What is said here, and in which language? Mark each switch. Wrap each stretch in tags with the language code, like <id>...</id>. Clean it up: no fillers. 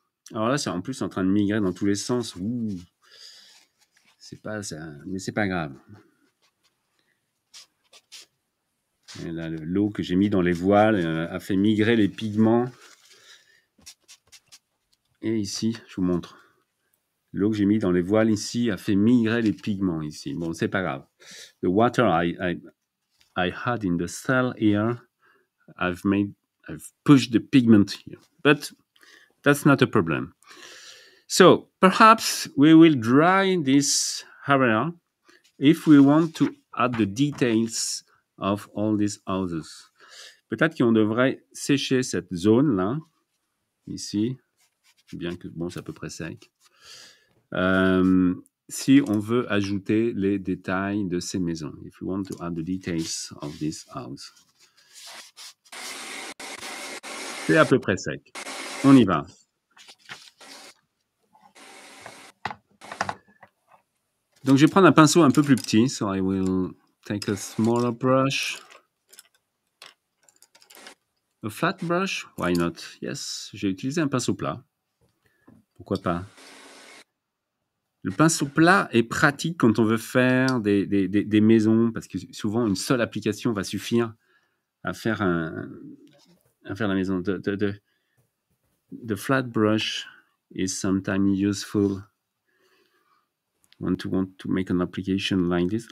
<fr>Alors là, c'est en plus en train de migrer dans tous les sens. Ouh. C'est pas ça, mais c'est pas grave. Et là, l'eau que j'ai mis dans les voiles a fait migrer les pigments. Et ici, je vous montre. L'eau que j'ai mis dans les voiles ici a fait migrer les pigments ici. Bon, c'est pas grave.</fr> <en>The water, I had in the cell here, I've pushed the pigment here, but that's not a problem. So perhaps we will dry this area if we want to add the details of all these houses.</en> <fr>Peut-être qu'on devrait sécher cette zone là, ici, bien que bon, c'est à peu près sec. Si on veut ajouter les détails de ces maisons.</fr> <en>If you want to add the details of this house.</en> <fr>C'est à peu près sec. On y va. Donc, je vais prendre un pinceau un peu plus petit.</fr> <en>So, I will take a pencil. take a smaller brush. A flat brush, why not? Yes,</en> <fr>j'ai utilisé un pinceau plat. Pourquoi pas? Le pinceau plat est pratique quand on veut faire des maisons, parce que souvent, une seule application va suffire à faire, à faire la maison.</fr> <en>The flat brush is sometimes useful when you want to make an application like this.</en>